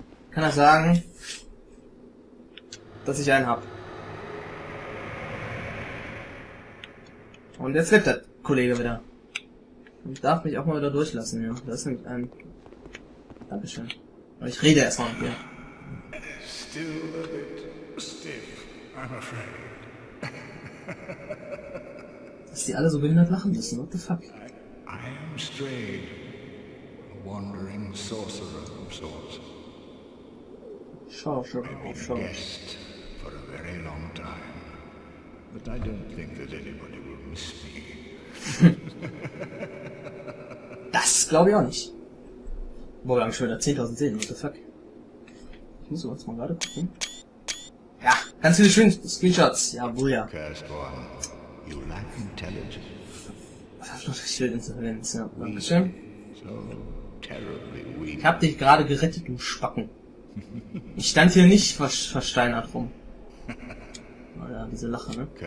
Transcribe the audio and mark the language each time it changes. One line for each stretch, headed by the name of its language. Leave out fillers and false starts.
German: Kann er sagen, dass ich einen hab. Und jetzt lebt der Kollege wieder. Und darf mich auch mal wieder durchlassen, ja. Das ist nämlich ein... Dankeschön. Aber ich rede erstmal mit dir.
English: Still a bit stiff, I'm afraid.
German: Dass die alle so behindert lachen müssen, what the fuck? I am strayed.
English: A wandering sorcerer of sorts. Sorcerer. For a very long time, but I don't think that anybody will miss me.
German: Das glaube ich auch nicht. Boah, wir haben schon wieder 10.000 Seelen, what the fuck? Ich muss jetzt mal gerade gucken. Ja, ganz viele schöne Screenshots. Ja, wohl ja.
English: Cursed one, you lack intelligence.
German: Ich hab noch richtig viel Intelligenz, ja. Dankeschön. So terribly weak. Ich hab dich gerade gerettet, du Spacken. Ich stand hier nicht versteinert rum. Oh ja, diese Lache, ne?